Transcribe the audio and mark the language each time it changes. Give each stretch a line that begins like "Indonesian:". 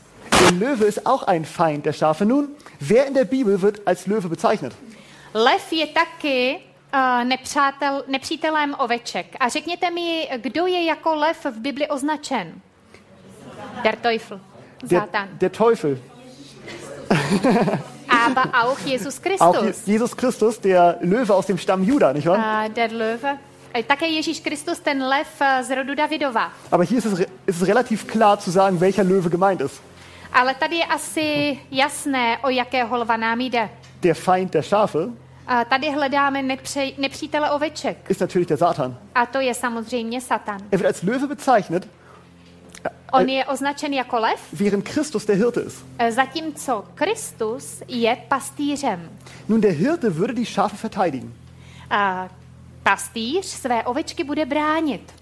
German: Der Löwe ist auch ein Feind der Schafe. Nun, wer in der Bibel wird als Löwe bezeichnet?
Czech: Lev je taky nepřítelem oveček. A řekněte mi, kdo je jako lev v Bibli označen?
German: Der Teufel. Satan. Der Teufel. Aber auch Jesus Christus. Auch Jesus Christus, der Löwe aus dem Stamm Juda, nicht wahr? Der Löwe.
Czech: Také Ježíš Kristus, ten lev z rodu Davidova.
German: Aber hier ist es relativ klar zu sagen, welcher Löwe gemeint ist.
Czech: Ale tady je asi jasné, o jakého lva nám jde.
German: Der Feind der Schafe.
Czech: Tady hledáme nepřítele oveček.
German: Ist natürlich der Satan.
Czech: A to je samozřejmě Satan.
German: Er wird als Löwe bezeichnet.
Czech: On je označen jako lev.
German: Während Christus der Hirte ist.
Czech: Zatímco Kristus je pastýřem.
German: Nun, der Hirte würde die Schafe verteidigen.
Czech: Pastýř své ovečky bude bránit.